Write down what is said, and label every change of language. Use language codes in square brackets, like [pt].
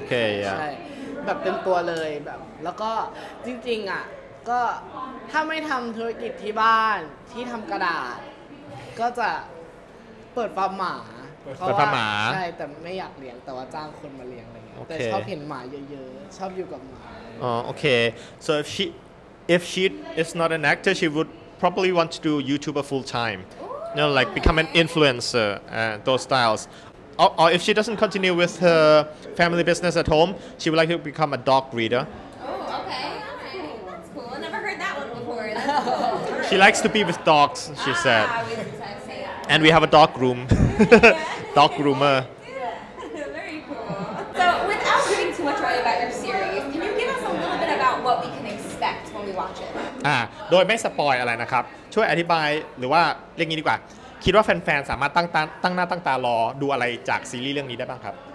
[th] ยใช่แบบเต็มตัวเลยแบบแล้วก็จริงๆอ่ะก็ถ้าไม่ทำธุรกิจที่บ้านที่ทำกระดาษก็จะ เปิดฟาร์มหมา เปิดฟาร์มหมา ใช่แต่ไม่อยากเลี้ยงแต่ว่าจ้างคนมาเลี้ยงอะไรเงี้ยแต่ชอบเห็นหมาเยอะๆชอบอยู่กับหมา อ๋อโอเค [en] so if she is not an actor she would probably want to do YouTuber full timeYou know, like become an influencer, those styles. Or if she doesn't continue with her family business at home, she would like to become a dog breeder. Oh, okay, all right. That's cool. I never heard that one before. Cool. She likes to be with dogs, she said. With dogs, yeah. And we have a dog groom. Dog groomer. Very cool. So without giving too much away about your series, can you give us a little bit about what we can expect when we watch it? [th] โดยไม่สปอยอะไรนะครับช่วยอธิบายหรือว่าเรียกงี้ดีกว่าคิดว่าแฟนๆสามารถตั้งหน้าตั้งตารอดูอะไรจากซีรีส์เรื่องนี้ได้บ้างครับ